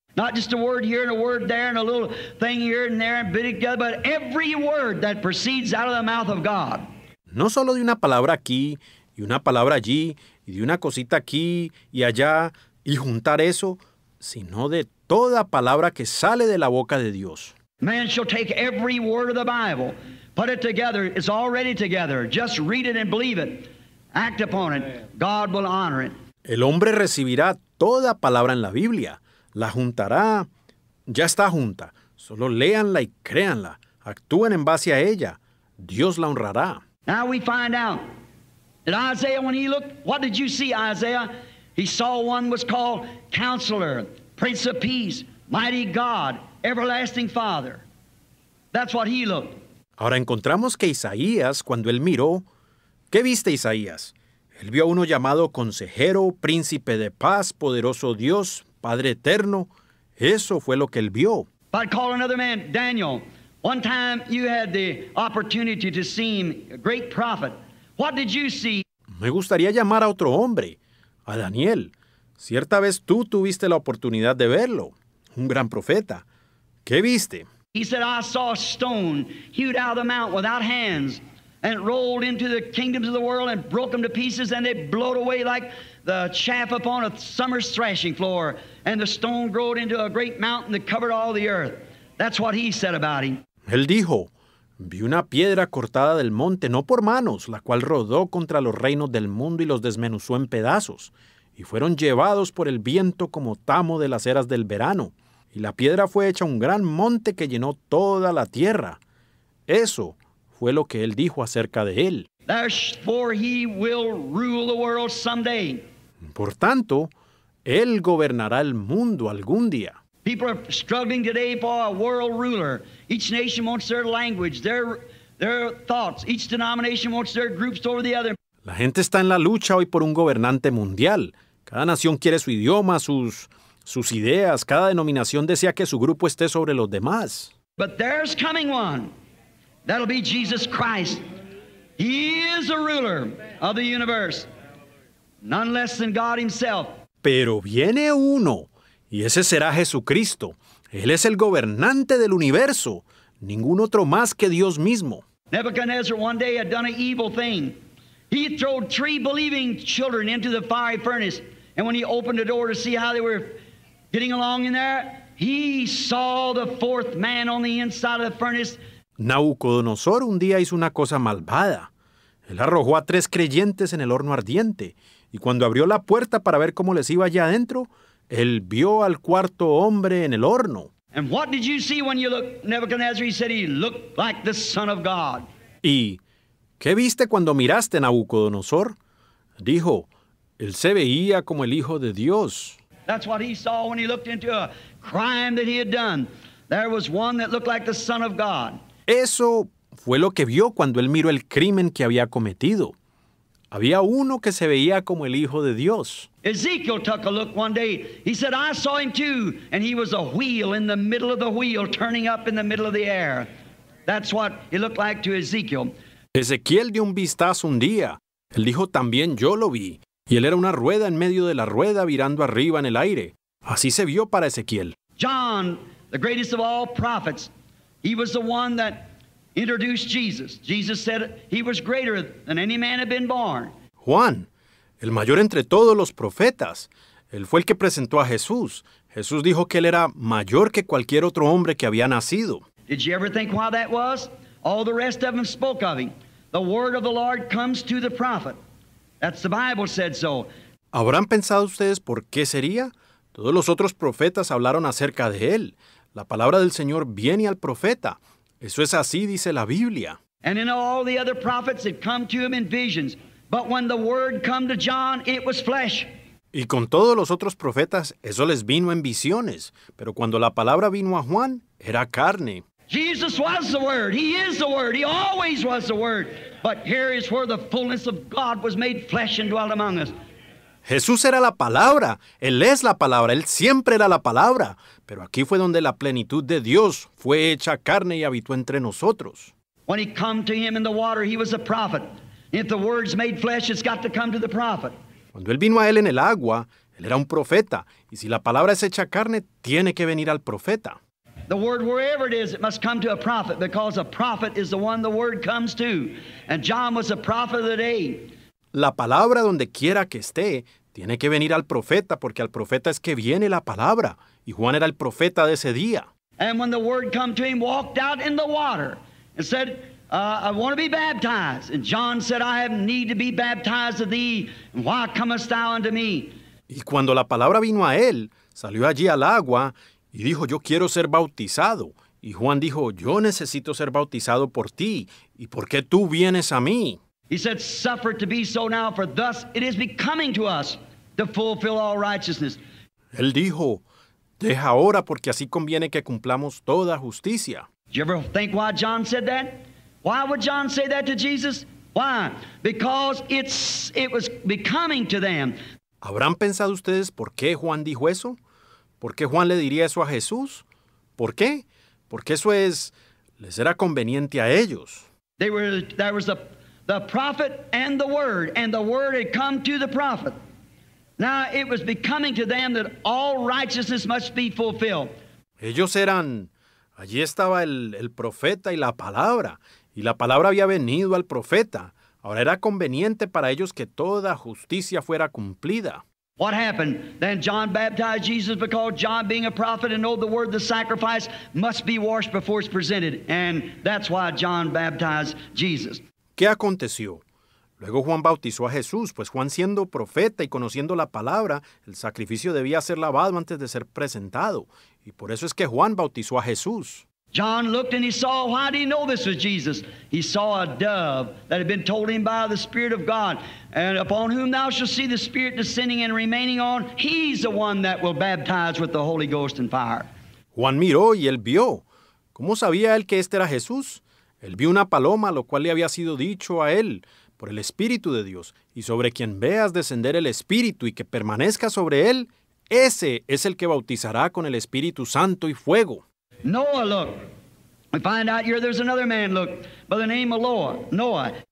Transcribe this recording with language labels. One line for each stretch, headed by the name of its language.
English: Not just a word here and a word there and a little thing here and there and bit it together, but every word that proceeds out of the mouth of God.
Spanish: No solo de una palabra aquí y una palabra allí y de una cosita aquí y allá y juntar eso, sino de toda palabra que sale de la boca de Dios.
English: Man shall take every word of the Bible, put it together, it's already together, just read it and believe it, act upon it, God will honor it.
Spanish: El hombre recibirá toda palabra en la Biblia. La juntará, ya está junta. Solo léanla y créanla. Actúen en base a ella. Dios la honrará.
English: Now we find out that Isaiah, when he looked, what did you see, Isaiah? He saw one was called Counselor, Prince of Peace, Mighty God, Everlasting Father. That's what he looked.
Spanish: Ahora encontramos que Isaías, cuando él miró, ¿qué viste, Isaías? Él vio a uno llamado Consejero, Príncipe de Paz, Poderoso Dios, Padre Eterno, eso fue lo que él vio.
English: I'd call another man, Daniel. One time you had the opportunity to see him, a great prophet. What did you see?
Spanish: Me gustaría llamar a otro hombre, a Daniel. Cierta vez tú tuviste la oportunidad de verlo, un gran profeta. ¿Qué viste?
English: He said, I saw a stone hewed out of the mountain without hands, and it rolled into the kingdoms of the world and broke them to pieces, and they blowed away like the chaff upon a summer's threshing floor, and the stone growed into a great mountain that covered all the earth. That's what he said about him.
Spanish: Él dijo, Vi una piedra cortada del monte, no por manos, la cual rodó contra los reinos del mundo y los desmenuzó en pedazos, y fueron llevados por el viento como tamo de las eras del verano, y la piedra fue hecha un gran monte que llenó toda la tierra. Eso fue lo que él dijo acerca de él.
English: Therefore he will rule the world someday.
Spanish: Por tanto, él gobernará el mundo algún día.
English: People are struggling today for a world ruler. Each nation wants their language, their thoughts. Each denomination wants their groups over the other.
Spanish: La gente está en la lucha hoy por un gobernante mundial. Cada nación quiere su idioma, sus ideas. Cada denominación desea que su grupo esté sobre los demás.
English: But there's coming one. That'll be Jesus Christ. He is the ruler of the universe. None less than God himself.
Spanish: Pero viene uno. Y ese será Jesucristo. Él es el gobernante del universo, ningún otro más que Dios mismo.
English: Nebuchadnezzar one day had done an evil thing. He threw 3 believing children into the fiery furnace, and when he opened the door to see how they were getting along in there, he saw the 4th man on the inside of the furnace.
Spanish: Nabucodonosor un día hizo una cosa malvada. Él arrojó a 3 creyentes en el horno ardiente, y cuando abrió la puerta para ver cómo les iba allá adentro, él vio al 4th hombre en el horno.
English: And what did you see when you looked? Nebuchadnezzar, he said, he looked like the Son of God.
Spanish: ¿Y qué viste cuando miraste, Nabucodonosor? Dijo, él se veía como el Hijo de Dios.
English: That's what he saw when he looked into a crime that he had done. There was one that looked like the Son of God.
Spanish: Eso fue lo que vio cuando él miró el crimen que había cometido. Había uno que se veía como el Hijo de Dios.
English: Ezekiel took a look one day. He said, I saw him too, and he was a wheel in the middle of the wheel, turning up in the middle of the air. That's what it looked like to Ezekiel.
Spanish: Ezequiel dio un vistazo un día. Él dijo, también yo lo vi. Y él era una rueda en medio de la rueda, virando arriba en el aire. Así se vio para Ezequiel.
English: John, the greatest of all prophets, he was the one that introduced Jesus. Jesus said he was greater than any man had been born.
Spanish: Juan, el mayor entre todos los profetas, él fue el que presentó a Jesús. Jesús dijo que él era mayor que cualquier otro hombre que había nacido.
English: Did you ever think why that was? All the rest of them spoke of him. The word of the Lord comes to the prophet. That's the Bible said so.
Spanish: ¿Habrán pensado ustedes por qué sería? Todos los otros profetas hablaron acerca de él. La palabra del Señor viene al profeta. Eso es así, dice la Biblia.
English: And in all the other prophets had come to him in visions. But when the word come to John, it was flesh.
Spanish: Y con todos los otros profetas, eso les vino en visiones. Pero cuando la palabra vino a Juan, era carne.
English: Jesus was the word. He is the word. He always was the word. But here is where the fullness of God was made flesh and dwelt among us.
Spanish: Jesús era la palabra. Él es la palabra. Él siempre era la palabra. Pero aquí fue donde la plenitud de Dios fue hecha carne y habitó entre nosotros.
English: When he come to him in the water, he was a prophet. If the word's made flesh, it's got to come to the prophet.
Spanish: Cuando él vino a él en el agua, él era un profeta. Y si la palabra es hecha carne, tiene que venir al profeta.
English: The word, wherever it is, it must come to a prophet, because a prophet is the one the word comes to. And John was a prophet of the day.
Spanish: La palabra, donde quiera que esté, tiene que venir al profeta, porque al profeta es que viene la palabra. Y Juan era el profeta de ese día.
English: And when the word come to him, walked out in the water and said, I want to be baptized. And John said, I have need to be baptized of thee. And why comest thou unto me?
Spanish: Y cuando la palabra vino a él, salió allí al agua y dijo, yo quiero ser bautizado. Y Juan dijo, yo necesito ser bautizado por ti. ¿Y por qué tú vienes a mí?
English: He said, suffer it to be so now, for thus it is becoming to us to fulfill all righteousness.
Spanish: Él dijo, deja ahora, porque así conviene que cumplamos toda justicia.
English: Did you ever think why John said that? Why would John say that to Jesus? Why? Because it was becoming to them.
Spanish: ¿Habrán pensado ustedes por qué Juan dijo eso? ¿Por qué Juan le diría eso a Jesús? ¿Por qué? Porque eso es, les era conveniente a ellos.
English: There was the prophet and the word had come to the prophet. Now it was becoming to them that all righteousness must be fulfilled.
Spanish: Ellos eran, allí estaba el profeta y la palabra. Y la palabra había venido al profeta. Ahora era conveniente para ellos que toda justicia fuera cumplida.
English: What happened? Then John baptized Jesus because John, being a prophet and knowing the word, the sacrifice must be washed before it's presented. And that's why John baptized Jesus.
Spanish: ¿Qué aconteció? Luego Juan bautizó a Jesús, pues Juan, siendo profeta y conociendo la palabra, el sacrificio debía ser lavado antes de ser presentado. Y por eso es que Juan bautizó a Jesús.
English: John looked and he saw, why did he know this was Jesus? He saw a dove that had been told him by the Spirit of God. And upon whom thou shalt see the Spirit descending and remaining on, he's the one that will baptize with the Holy Ghost and fire.
Spanish: Juan miró y él vio. ¿Cómo sabía él que este era Jesús? Él vio una paloma, lo cual le había sido dicho a él por el Espíritu de Dios. Y sobre quien veas descender el Espíritu y que permanezca sobre él, ese es el que bautizará con el Espíritu Santo y fuego.
English: Noah, look. We find out here there's another man, look, by the name of Noah.